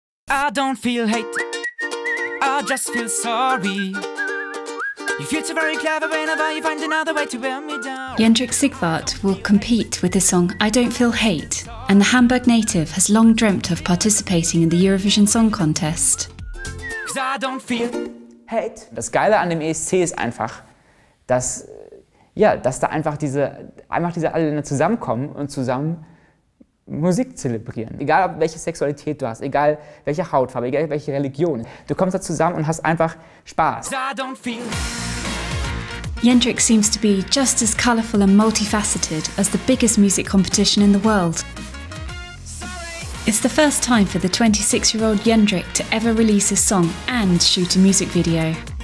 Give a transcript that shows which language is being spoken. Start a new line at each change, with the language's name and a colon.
English: I don't feel hate, I just feel sorry. You feel so very clever whenever you find another way to wear me down. Jendrik Sigvart will compete with the song I Don't Feel Hate, and the Hamburg native has long dreamt of participating in the Eurovision Song Contest. Cause I don't feel hate.
German: Das Geile an dem ESC ist einfach, dass da einfach diese alle Länder zusammenkommen und zusammen Musik zelebrieren. Egal, ob welche Sexualität du hast, egal welche Hautfarbe, egal welche Religion. Du kommst da zusammen und hast einfach Spaß.
English: Jendrik seems to be just as colorful and multifaceted as the biggest music competition in the world. It's the first time for the 26-year-old Jendrik to ever release a song and shoot a music video.